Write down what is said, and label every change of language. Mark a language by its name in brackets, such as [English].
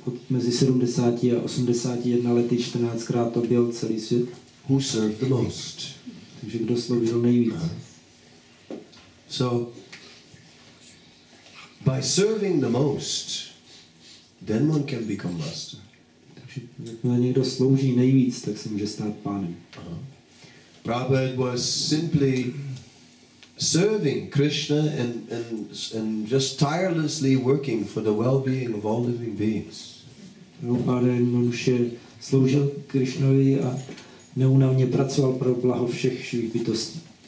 [Czech] Mezi 70 a 81 lety 14krát objel celý svět. [English] Who served the most? [Czech] Takže kdo sloužil nejvíc? [English] So by serving the most, then one can become master. [Czech] Takže když někdo slouží nejvíc, tak se může stát pánem. [English] Prabhupada was simply serving Krishna and just tirelessly working for the well-being of all living beings. [Czech] Prabhupada jednoduše sloužil Krishnovi a neunavně pracoval pro blaho všech živých bytostí.